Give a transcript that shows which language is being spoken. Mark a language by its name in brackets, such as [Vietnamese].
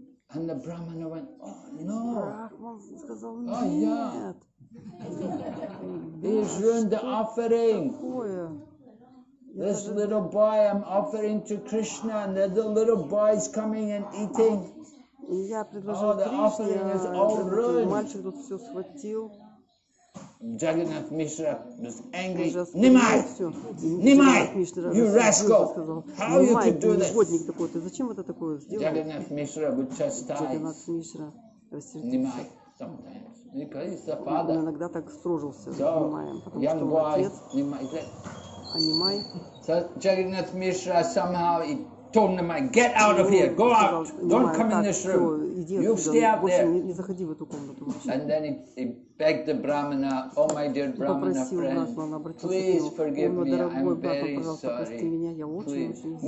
[English] And the Brahmana went, oh no, he's ruined the offering. This little boy I'm offering to Krishna, and the little boy is coming and eating. [Russian] Я предложил Кришне, мальчик тут все схватил. [English] Джагнат Мишра was angry. Нимай! You rascal! How you could do this? [Russian] Негодник такой, ты зачем это такое сделал? [English] Джагнат Мишра would chastise. [Russian] Джагнат Мишра рассердился. Он иногда так строжился с Нимаем, потому что отец. А Нимай? [English] Джагнат Мишра somehow told Nimai, get out of here, go out, don't come in this room, you stay out there. And then he begged the Brahmana, oh my dear Brahmana friend, please forgive me, I'm very sorry, please.